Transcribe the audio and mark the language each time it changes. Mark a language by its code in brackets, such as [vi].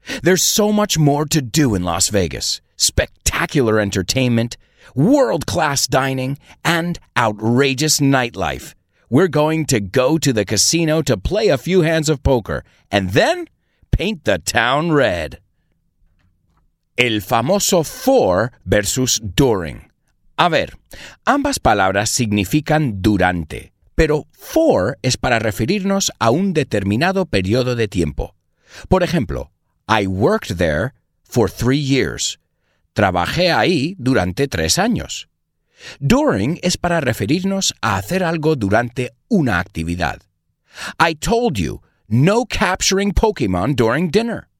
[en] There's so much more to do in Las Vegas. Spectacular entertainment, world-class dining, and outrageous nightlife. We're going to go to the casino to play a few hands of poker and then paint the town red. [es] El famoso for versus during. A ver, ambas palabras significan durante, pero for es para referirnos a un determinado periodo de tiempo. Por ejemplo, [en] I worked there for 3 years. [es] Trabajé ahí durante 3 años. During es para referirnos a hacer algo durante una actividad. [en] I told you, no capturing Pokémon during dinner.